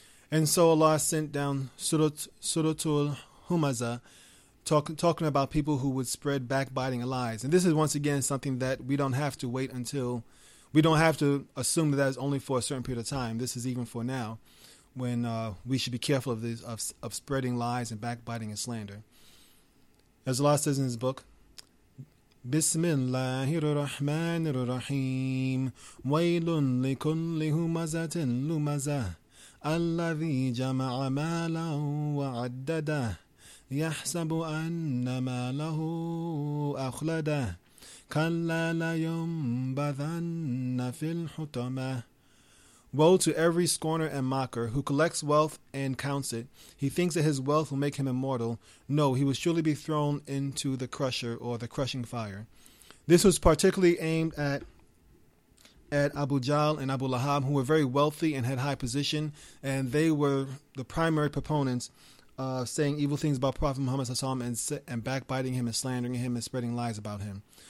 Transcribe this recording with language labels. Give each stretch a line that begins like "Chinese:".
English: And so Allah sent down Suratul Humaza, talking about people who would spread backbiting lies. And this is once again something that we don't have to wait until, we don't have to assume that is only for a certain period of time. This is even for now, when we should be careful of these of spreading lies and backbiting and slander. As Allah says in His book,
Arabic: بسم الله الرحمن الرحيم ويل لكل همزة لمزة الذي جمع مالا وعدده يحسب أن ماله أخلده كلا لينبذن في الحطمة.
English: Woe to every scorner and mocker who collects wealth and counts it. He thinks that his wealth will make him immortal. No, he will surely be thrown into the crusher or the crushing fire. This was particularly aimed at Abu Jahl and Abu Lahab, who were very wealthy and had high position, and they were the primary proponents of saying evil things about Prophet Muhammad sallallahu alaihi wasallam and backbiting him and slandering him and spreading lies about him.